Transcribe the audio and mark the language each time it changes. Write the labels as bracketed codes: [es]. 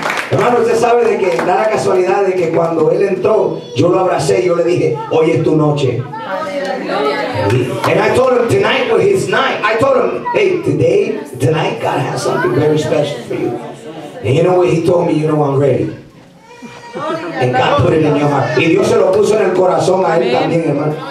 [es] Hermano, usted sabe de que da la casualidad de que cuando él entró, yo lo abracé y yo le dije, hoy es tu noche. [en] And I told him tonight was his night. I told him, hey, today, tonight, God has something very special for you. And you know what he told me, you know I'm ready. And God put it in your heart. [es] Y Dios se lo puso en el corazón a él también, hermano.